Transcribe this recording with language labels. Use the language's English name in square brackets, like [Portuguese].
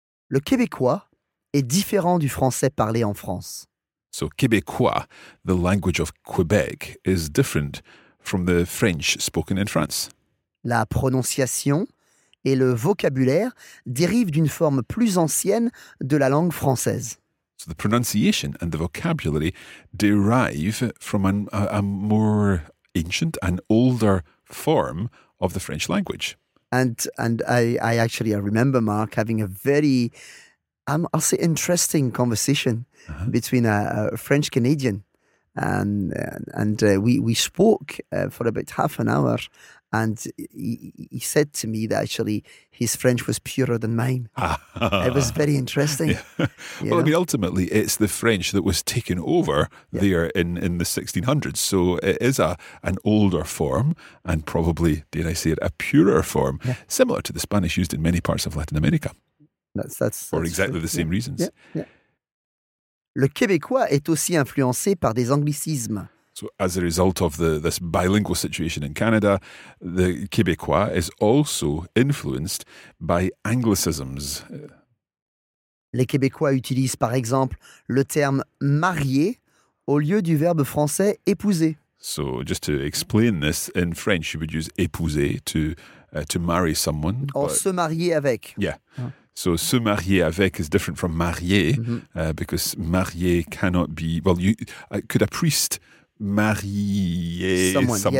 [French] Le Québécois est différent du français parlé en France. [English] So, Québécois, the language of Quebec, is different from the French spoken in France. [French] La prononciation et le vocabulaire dérivent d'une forme plus ancienne de la langue française. [English] So, the pronunciation and the vocabulary derive from a more ancient and older form of the French language. And I remember, Mark, having a very... I'll say interesting conversation between a French Canadian, and we spoke for about half an hour, and he said to me that actually his French was purer than mine. It was very interesting. Yeah. Well, I mean, ultimately, it's the French that was taken over there in the 1600s, so it is an older form, and probably, dare I say it, a purer form, similar to the Spanish used in many parts of Latin America. That's exactly the same reasons. Yeah, yeah. [French] Le Québécois est aussi influencé par des anglicismes. [English] So as a result of this bilingual situation in Canada, the Québécois is also influenced by anglicisms. [French] Les Québécois utilisent par exemple le terme marié au lieu du verbe français épouser. [English] So just to explain this, in French you would use épouser to marry someone. [French] Or se marier avec. [English] Yeah. So, se marier avec is different from marier, because marier cannot be... Well, could a priest marier someone?